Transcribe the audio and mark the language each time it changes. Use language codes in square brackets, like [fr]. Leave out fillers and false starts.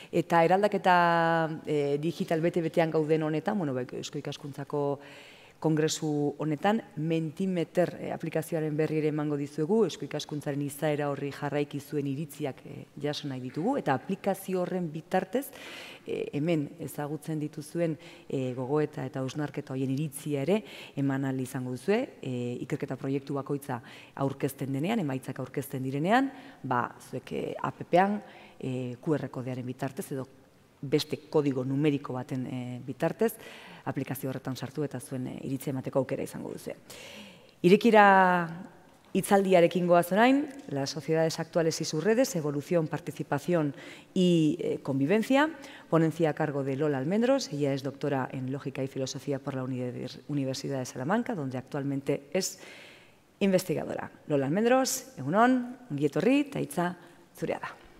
[eu] Eta eraldaketa digital bete-betean gauden honetan, bueno, Eusko Ikaskuntzako kongresu honetan, Mentimeter aplikazioaren berri ere emango dizuegu, Eusko Ikaskuntzaren izaera horri jarraiki zuen iritziak jaso nahi ditugu, eta aplikazio horren bitartez, hemen ezagutzen dituzuen gogoeta eta ausnarketa horien iritzia ere eman ahal izango duzue, ikerketa proiektu bakoitza aurkezten denean, emaitzak aurkezten direnean, ba, zuek app-ean, QR kodearen bitartez, edo beste kodigo numeriko baten bitartez, aplikazio horretan sartu eta zuen iritzia emateko aukera izango duzue. Irekira hitzaldiarekin goaz orain, [es] Las sociedades actuales y sus redes, evolución, participación y convivencia, ponencia a cargo de Lola Almendros, ella es doctora en lógica y filosofía por la Universidad de Salamanca, donde actualmente es investigadora. [eu] Lola Almendros, egunon, ongi etorri, eta hitza zurea da.